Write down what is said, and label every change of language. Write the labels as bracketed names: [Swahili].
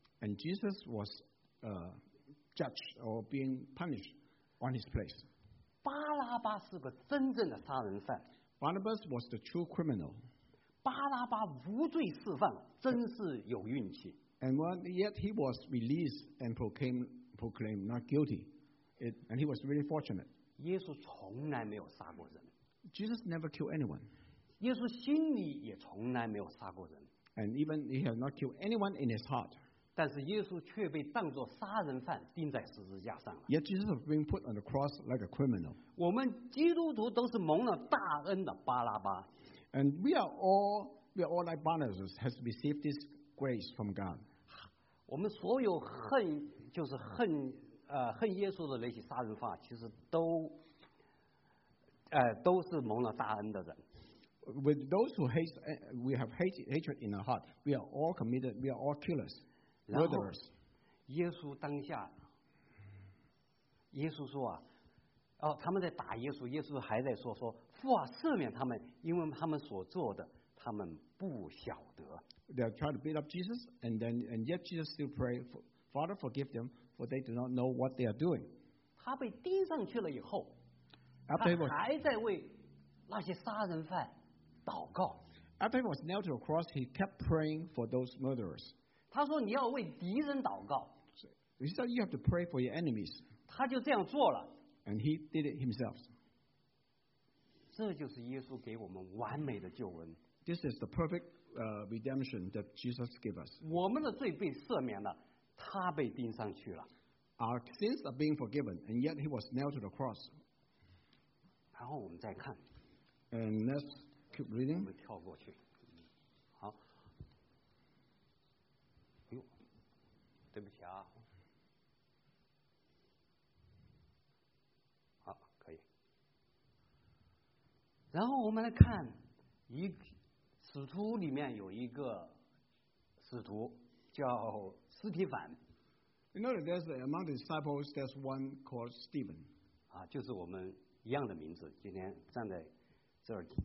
[English] And Jesus was judged or being punished on his place. [Chinese] 巴拉巴是个真正的杀人犯。 [English] Barnabas was the true criminal. [Chinese] 巴拉巴无罪释放，真是有运气。 [English] And yet he was released and proclaimed not guilty. And he was really fortunate. [Chinese] 耶稣从来没有杀过人。 [English] Jesus never killed anyone. [Chinese] 耶稣心里也从来没有杀过人。 [English] And even he had not killed anyone in his heart. [Chinese] 但是耶稣却被当作杀人犯钉在十字架上了。 [English] Yet Jesus was being put on the cross like a criminal. [Chinese] 我们基督徒都是蒙了大恩的巴拉巴。 [English] And we are all like Barnabas has received this grace from God. [Chinese] 我们所有恨耶稣的那些杀人犯，其实都是蒙了大恩的人。 [English] With those who hate, we have hatred in our heart. We are all committed. We are all killers. [Chinese] 然后耶稣当下耶稣说啊、哦、他们在打耶稣，耶稣还在说父啊，赦免他们，因为他们所做的他们不晓得。 [English] They are trying to beat up Jesus and yet Jesus still pray for, Father forgive them, for they do not know what they are doing. [Chinese] 他被钉上去了以后，他还在为那些杀人犯祷告。 [English] After he was nailed to the cross, he kept praying for those murderers. [Chinese] 他说你要为敌人祷告。 [English] He said you have to pray for your enemies. [Chinese] 他就这样做了。 [English] And he did it himself. [Chinese] 这就是耶稣给我们完美的救恩。 [English] This is the perfect redemption that Jesus gave us. [Chinese] 我们的罪被赦免了，他被钉上去了。 [English] Our sins are being forgiven, and yet he was nailed to the cross. [Chinese] 然后我们再看。 [English] And let's keep reading. [Chinese] 我们跳过去。对不起啊，好，可以。然后我们来看一使徒里面有一个使徒叫斯提凡。 [English] You know that there's among the disciples there's one called Stephen. [Chinese] 啊，就是我们一样的名字，今天站在这儿